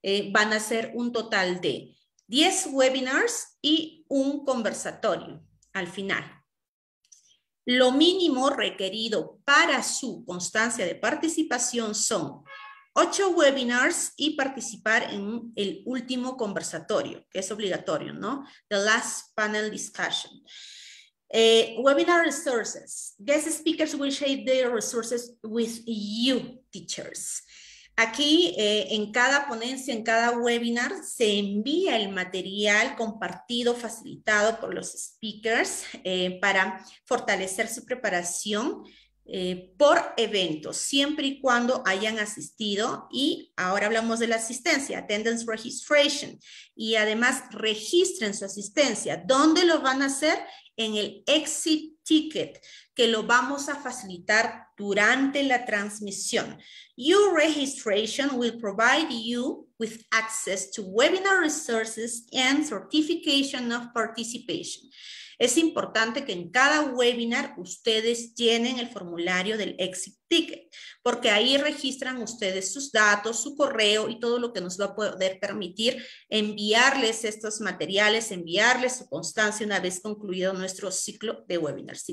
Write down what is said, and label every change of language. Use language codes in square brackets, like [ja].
[es] Van a ser un total de 10 webinars y un conversatorio al final. Lo mínimo requerido para su constancia de participación son 8 webinars y participar en el último conversatorio, que es obligatorio, ¿no? [en] The last panel discussion. Webinar resources. Guest speakers will share their resources with you, teachers. [es] Aquí, en cada ponencia, en cada webinar, se envía el material compartido, facilitado por los speakers para fortalecer su preparación por eventos, siempre y cuando hayan asistido. Y ahora hablamos de la asistencia, [en] attendance registration. [es] Y además, registren su asistencia. ¿Dónde lo van a hacer? En el exit ticket, que lo vamos a facilitar durante la transmisión. [en] Your registration will provide you with access to webinar resources and certification of participation. [es] Es importante que en cada webinar ustedes llenen el formulario del exit ticket, porque ahí registran ustedes sus datos, su correo y todo lo que nos va a poder permitir enviarles estos materiales, enviarles su constancia una vez concluido nuestro ciclo de webinars.